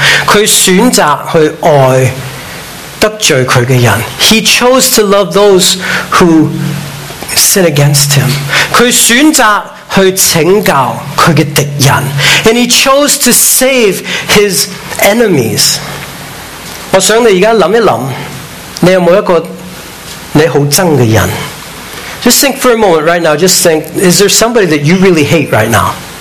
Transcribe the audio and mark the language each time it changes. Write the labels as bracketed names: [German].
[Chinese] 他选择去爱得罪他的人。 [English] He chose to love those who sin against him. [Chinese] 他选择去拯救他的敌人。 [English] And he chose to save his enemies. [Chinese] 我想你现在想一想，你有没有一个你很憎的人？ [English] Just think for a moment right now. Just think, is there somebody that you really hate right now?